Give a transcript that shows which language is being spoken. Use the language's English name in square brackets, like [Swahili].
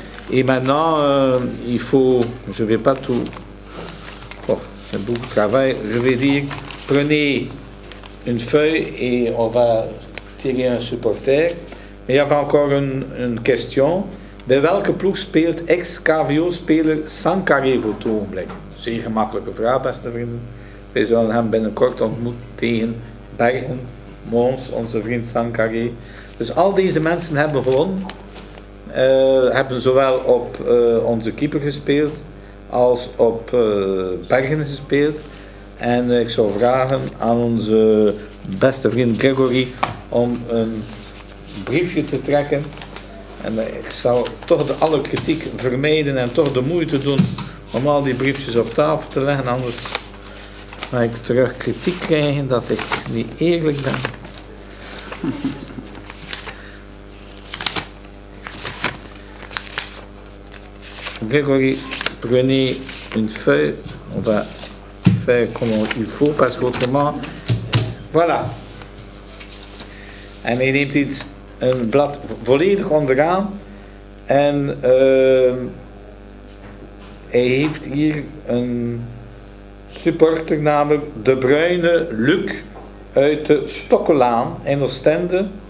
[French] Et maintenant, je ne vais pas tout. Oh, c'est beaucoup de travail. Je vais dire, prenez une feuille et on va tirer un supporter. Mais il y avait encore une question. [Dutch] Bij welke ploeg speelt ex-KVO-speler Sankaré voor het ogenblik? Zeer gemakkelijke vraag, beste vrienden. We zullen hem binnenkort ontmoeten tegen Bergen, Mons, onze vriend Sankaré. Dus al deze mensen hebben gewonnen. Hebben zowel op onze keeper gespeeld als op Bergen gespeeld. En ik zou vragen aan onze beste vriend Grégory om een briefje te trekken. En ik zou toch alle kritiek vermijden en toch de moeite doen om al die briefjes op tafel te leggen. Anders... Maar ik terug kritiek krijgen dat ik niet eerlijk ben. [French] Grégory, prenez une feuille. On va faire comme il faut, parce qu'autrement. Voilà. [Dutch] En hij neemt iets, een blad volledig onderaan. En hij heeft hier een. Supporter namelijk De Bruyne Luc uit de Stokkelaan in Oostende.